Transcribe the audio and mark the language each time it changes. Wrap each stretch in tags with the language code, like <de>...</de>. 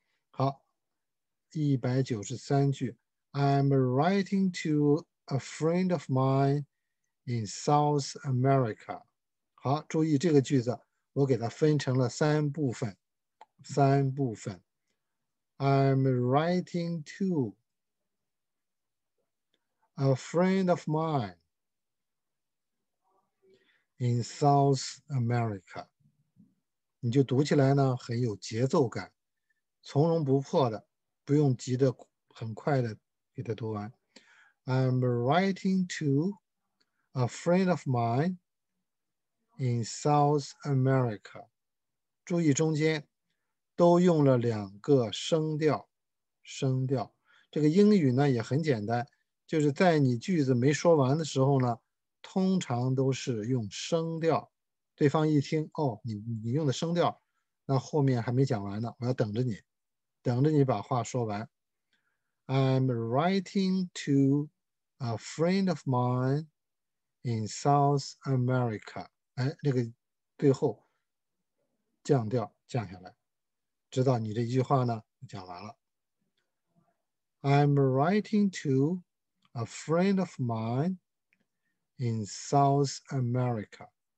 <zh>好，193句，</zh> <en>I'm writing to a friend of mine in South America。</en> <zh>好，注意这个句子，我给它分成了三部分，三部分。</zh> <en>I'm writing to a friend of mine in South America。</en> <zh>你就读起来呢，很有节奏感，从容不迫的，不用急着很快的给它读完。</zh> <en>I'm writing to a friend of mine in South America。</en> <zh>注意中间。都用了两个升调，升调。这个英语呢也很简单，就是在你句子没说完的时候呢，通常都是用升调。对方一听，哦，你用的升调，那后面还没讲完呢，我要等着你，等着你把话说完。</zh> <en>I'm writing to a friend of mine in South America。</en> <zh>哎，那个最后降调降下来。知道你这一句话呢，讲完了。</zh> <en>I'm writing to a friend of mine in South America。</en>